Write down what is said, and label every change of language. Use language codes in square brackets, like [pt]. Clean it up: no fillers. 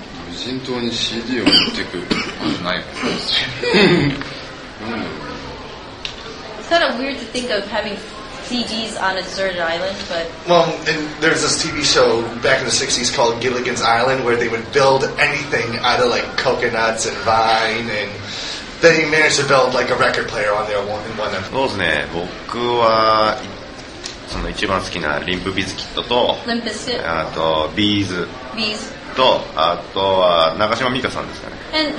[ja] 無人島に CD を持ってくるのないことです [en] ね。 It's kind of weird to think of having CDs on a deserted island, but... Well, and there's this TV show back in the 60s called Gilligan's Island where they would build anything out of like coconuts and vine, and they managed to build like a record player on there one of them. [ja] そうですね、僕はその一番好きなリンプビズキットと、 [en] Limp Bizkit? [ja] あとビーズ。ビーズ。とあとは中島美嘉さんですかね。